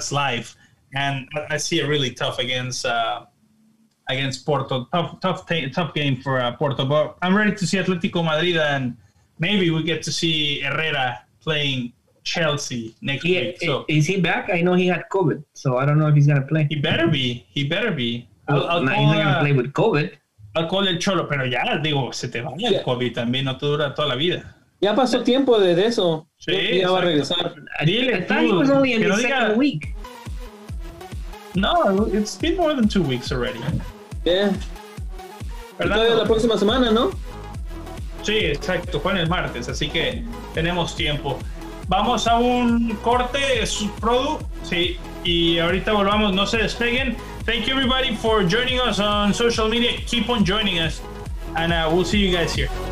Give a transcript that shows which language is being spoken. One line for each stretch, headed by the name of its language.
English: That's life, and I see it really tough against Porto. Tough game for Porto, but I'm ready to see Atletico Madrid, and maybe we get to see Herrera playing Chelsea next week. So is he back? I know he had COVID, so I don't know if he's gonna play. He better be. He's not gonna play with COVID.
Spanish: Al cole el cholo, pero ya, digo, se te va el COVID también, no te dura toda la vida. Ya pasó tiempo de eso. Sí, ya va a regresar. Dile tú, que no diga...
English: Week. No, it's been more than 2 weeks already. Yeah.
Spanish: Todavía la próxima semana, ¿no? Sí, exacto, fue en el martes, así que tenemos tiempo. Vamos a un corte, es un producto, sí, y ahorita volvamos, no se despeguen.
English: Thank you, everybody, for joining us on social media. Keep on joining us, and we'll see you guys here.